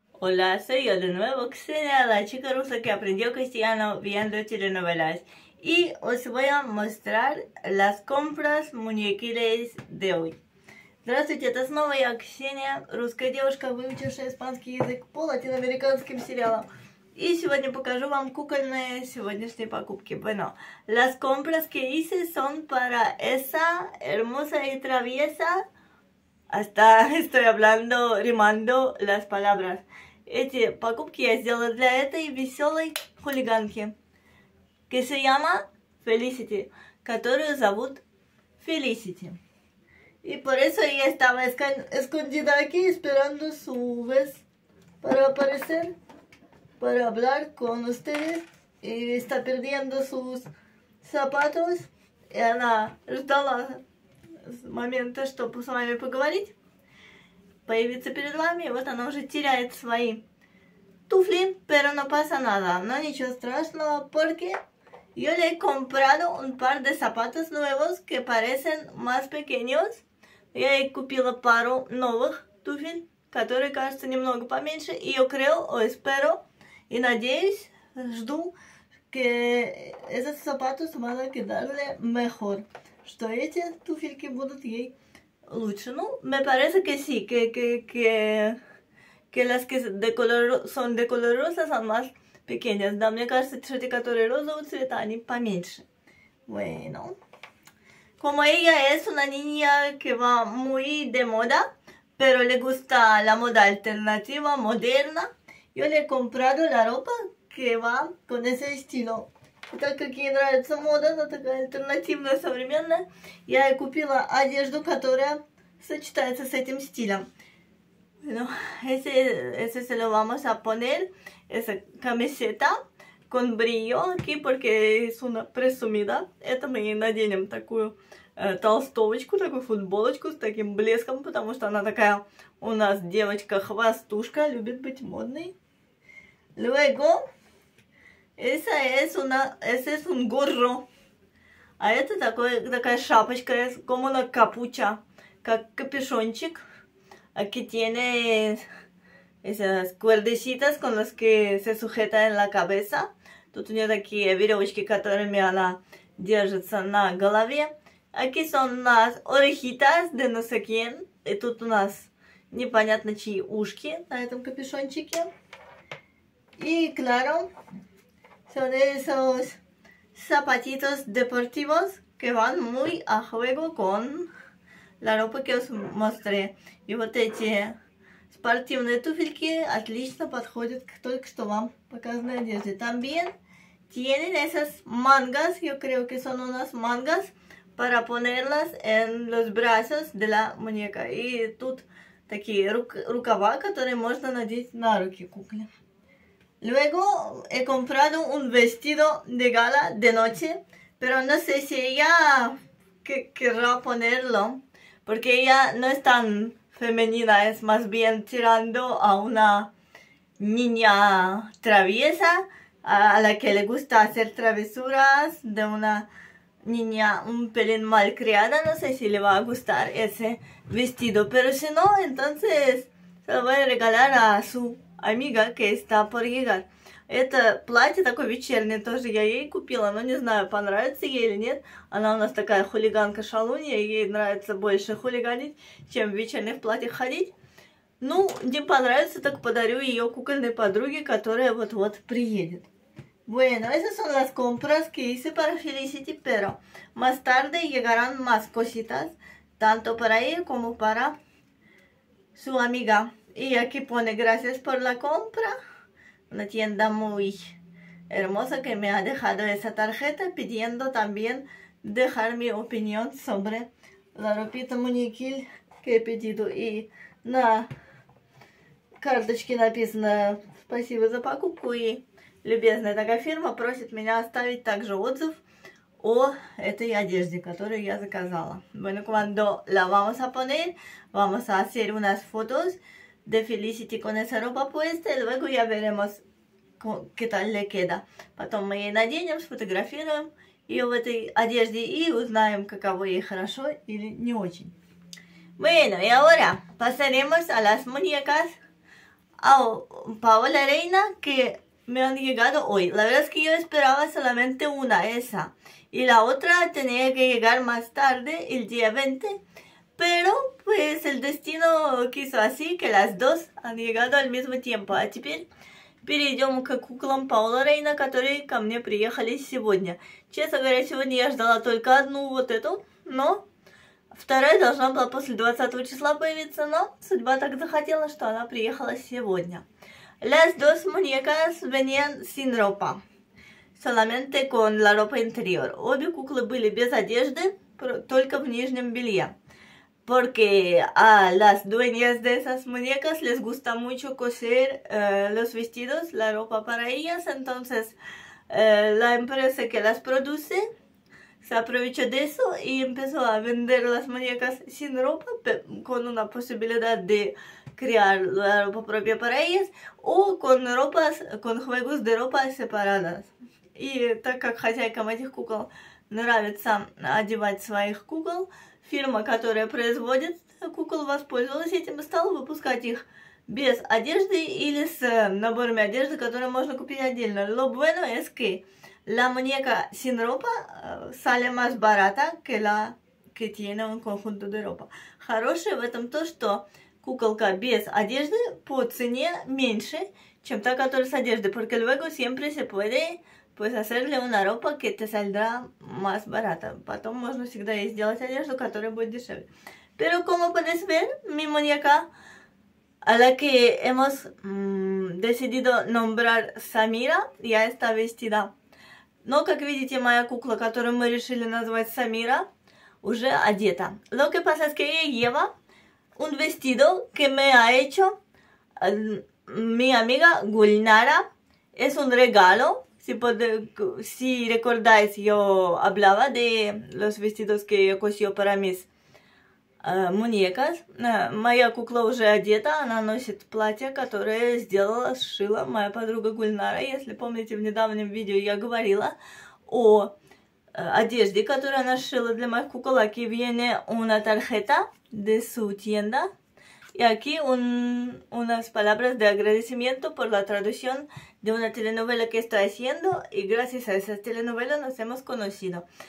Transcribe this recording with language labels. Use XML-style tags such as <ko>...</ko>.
<es>Hola, soy yo de nuevo, Xenia, la chica rusa que aprendió castellano viendo telenovelas. Y os voy a mostrar las compras muñequiles de hoy.</es> <ru>Здравствуйте, это снова я, Ксения, русская девушка, выучившая испанский язык по латиноамериканским сериалам. И сегодня покажу вам кукольные сегодняшние покупки.</ru> <es>Bueno, las compras que hice son para esa hermosa y traviesa. Hasta estoy hablando, rimando las palabras.</es> <ru>Эти покупки я сделала для этой веселой хулиганки,</ru> <es>que se llama Felicity,</es> <ru>которую зовут Felicity. И</ru> <es>por eso ella estaba escondida aquí, esperando su vez para aparecer, para hablar con ustedes, y está perdiendo sus zapatos, y</es> <ru>она ждала момента, чтобы с вами поговорить, появиться перед вами, и вот она уже теряет свои туфли,</ru> <es>pero no pasa nada,</es> <ru>но ничего страшного,</ru> <es>porque yo le he comprado un par de zapatos nuevos que parecen más pequeños.</es> <ru>Я ей купила пару новых туфель, которые кажутся немного поменьше, и</ru> <es>yo creo, o espero,</es> <ru>и надеюсь, жду,</ru> <es>que esos zapatos van a quedarle mejor,</es> <ru>что эти туфельки будут ей лучше. Ну,</ru> <es>me parece que sí, que las que de color, son de color rosa son más pequeñas.</es> <ru>Да, мне кажется, что те, которые розового цвета, они поменьше.</ru> <es>Bueno. Como ella es una niña que va muy de moda, pero le gusta la moda alternativa, moderna, yo le he comprado la ropa que va con ese estilo.</es> <ru>И так как ей нравится мода, она такая альтернативная, современная, я ей купила одежду, которая сочетается с этим стилем.</ru> <es>Bueno, ese se lo vamos a poner, esa camiseta con brillo aquí, porque es una presumida.</es> <ru>Это мы ей наденем такую толстовочку, такую футболочку с таким блеском, потому что она такая у нас девочка-хвастушка, любит быть модной.</ru> <es>Luego... Esa es una, ese es un gorro.</es> <ru>А это такой, такая шапочка,</ru> <es>como una capucha,</es> <ru>как капюшончик.</ru> <es>Aquí tiene esas cuerdecitas con las que se sujeta en la cabeza.</es> <ru>Тут у нее такие веревочки, которыми она держится на голове.</ru> <es>Aquí son las orejitas de no sé quién.</es> <ru>И тут у нас непонятно чьи ушки на этом капюшончике. И,</ru> <es>claro... Son esos zapatitos deportivos que van muy a juego con la ropa que os mostré. Y</es> <ru>вот эти спортивные туфельки отлично подходят к только что вам показанной одежде.</ru> <es>También tienen esas mangas, yo creo que son unas mangas para ponerlas en los brazos de la muñeca.</es> <ru>И тут такие рукава, которые можно надеть на руки кукле.</ru> <es>Luego he comprado un vestido de gala de noche, pero no sé si ella querrá ponerlo, porque ella no es tan femenina, es más bien tirando a una niña traviesa, a la que le gusta hacer travesuras, de una niña un pelín malcriada, no sé si le va a gustar ese vestido, pero si no, entonces se lo voy a regalar a su... Амига, кейста, поригар.</es> <ru>Это платье такое вечернее, тоже я ей купила, но не знаю, понравится ей или нет. Она у нас такая хулиганка-шалунья, ей нравится больше хулиганить, чем в вечерних платьях ходить. Ну, не понравится, так подарю ее кукольной подруге, которая вот-вот приедет.</ru> <es>Bueno, esas son las compras que hice para Felicity, pero más tarde llegarán más cositas, tanto para ella, como para su amiga.</es> <ru>И</ru> <es>aquí pone gracias por la compra. Una tienda muy hermosa que me ha dejado esa tarjeta pidiendo también dejar mi opinión sobre la ropita muñequil que he pedido.</es> <ru>И на карточке написано спасибо за покупку. И любезная такая фирма просит меня оставить также отзыв о этой одежде, которую я заказала.</ru> <es>Bueno, cuando la vamos a poner, vamos a hacer unas fotos de Felicity con esa ropa puesta, y luego ya veremos qué tal le queda.</es> <ru>Потом мы ей наденем, сфотографируем ее в этой одежде и узнаем, каково ей, хорошо или не очень.</ru> <es>Bueno, y ahora pasaremos a las muñecas, Paola Reina, que me han llegado hoy. La verdad es que yo esperaba solamente una, esa. Y la otra tenía que llegar más tarde, el día 20. Pero pues el destino quiso así que las dos han llegado al mismo tiempo.</es> <ru>A теперь перейдем к куклам Паула Рейна, которые ко мне приехали сегодня. Честно говоря, сегодня я ждала только одну вот эту, но вторая должна была после 20 числа появиться, но судьба так захотела, что она приехала сегодня.</ru> <es>Las dos muñecas venían sin ropa, solamente con la ropa interior.</es> <ru>Обе куклы были без одежды, только в нижнем белье.</ru> <es>Porque a las dueñas de esas muñecas les gusta mucho coser los vestidos, la ropa para ellas. Entonces la empresa que las produce se aprovechó de eso y empezó a vender las muñecas sin ropa, con una posibilidad de crear la ropa propia para ellas o con ropas, con juegos de ropa separadas. Y tal como</es> <ru>хозяйкам этих кукол нравится одевать своих кукол, фирма, которая производит кукол, воспользовалась этим и стала выпускать их без одежды или с наборами одежды, которые можно купить отдельно.</ru> <es>Lo bueno es que la muñeca sin ropa sale más barata que la que tiene un conjunto de ropa.</es> <ru>Хорошее в этом то, что куколка без одежды по цене меньше, чем та, которая с одеждой,</ru> <es>porque luego siempre se puede pues hacerle una ropa que te saldrá más barata.</es> <ru>Потом можно всегда ей сделать одежду, которая будет дешевле.</ru> <es>Pero como puedes ver, mi muñeca, a la que hemos decidido nombrar Samira, ya está vestida.</es> <ru>Но, как видите, моя кукла, которую мы решили назвать Самира, уже одета.</ru> <es>Lo que pasa es que ella lleva un vestido que me ha hecho mi amiga Gulnara. Es un regalo. Si recordáis, yo hablaba de los vestidos que ella cosió para mis muñecas.</es> <ru>Моя кукла уже одета, она носит платье, которое сделала, сшила моя подруга Гульнара. Если помните, в недавнем видео я говорила о одежде, которую она сшила для моих кукол.</ru> <es>Aquí viene una tarjeta de su tienda. Y aquí unas palabras de agradecimiento por la traducción de una telenovela que estoy haciendo. Y gracias a esa telenovela nos hemos conocido.</es>